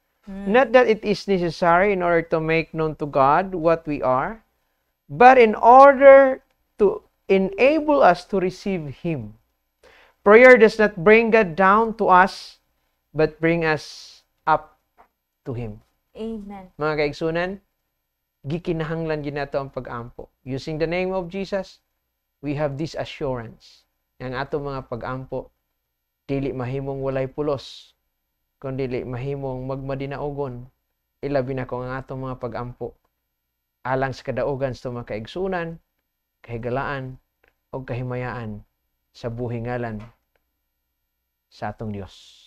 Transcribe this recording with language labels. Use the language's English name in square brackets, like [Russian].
[English] Not that it is necessary in order to make known to God what we are, but in order to enable us to receive Him. Prayer does not bring God down to us, but bring us up to Him. Amen. [Cebuano] Mga kaigsunan, gikinahanglan din nato ang pag-ampo. [English] Using the name of Jesus, we have this assurance. [Cebuano] Ang ato mga pag-ampo, dili mahimong walay pulos, kundi dili mahimong magmadinaugon, ilabi na kung ang ato mga pag-ampo, alang sa kadaugan sa mga kaigsunan, kahigalaan, o kahimayaan sa buhingalan sa atong Diyos.